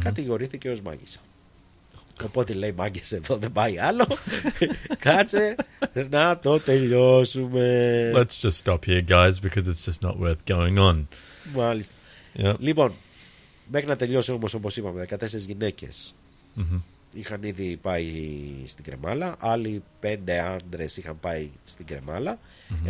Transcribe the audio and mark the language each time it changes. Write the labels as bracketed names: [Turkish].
[Greek] κατηγορήθηκε ως μάγισσα. Okay. Οπότε λέει μάγκες εδώ δεν πάει άλλο. Κάτσε να το τελειώσουμε. [English] Let's just stop here guys because it's just not worth going on. [Greek] Μάλιστα. Yep. Λοιπόν, μέχρι να τελειώσει όμως όπως είπαμε 14 γυναίκες mm-hmm. είχαν ήδη πάει στην Κρεμάλα. Άλλοι 5 άντρες είχαν πάει στην Κρεμάλα. Mm-hmm.